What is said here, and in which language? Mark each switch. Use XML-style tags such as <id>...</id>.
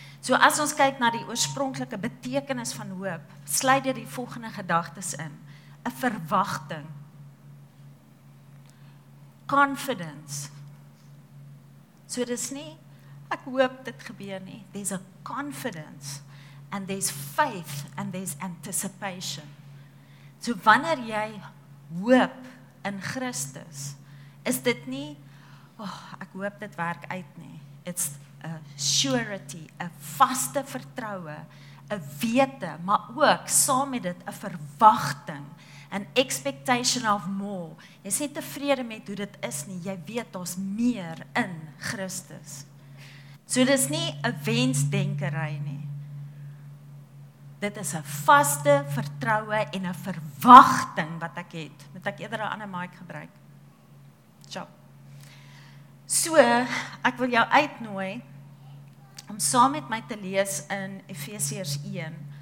<af>So as ons kyk na die oorspronklike betekenis van hoop, sluit dit die volgende gedagtes in. 'N verwagting. Confidence. So dit is nie, ek hoop dit gebeur nie.</af> <en>There's a confidence and there's faith and there's anticipation.</en> <af>So wanneer jy hoop in Christus, is dit nie, ek hoop dit werk uit nie.</af> <en>It's a surety,</en> <af>'n vaste vertroue, 'n wete, maar ook saam met dit 'n verwagting,</af> <en>an expectation of more.</en> <af>Jy is nie tevrede met hoe dit is nie, jy weet daar's meer in Christus. So dit is nie 'n wensdenkery nie. Dit is 'n vaste vertroue en 'n verwagting wat ek het. Moet ek eerder 'n ander mic gebruik? Tjop. So, ek wil jou uitnooi om saam met my te lees in Efesiërs 1.</af>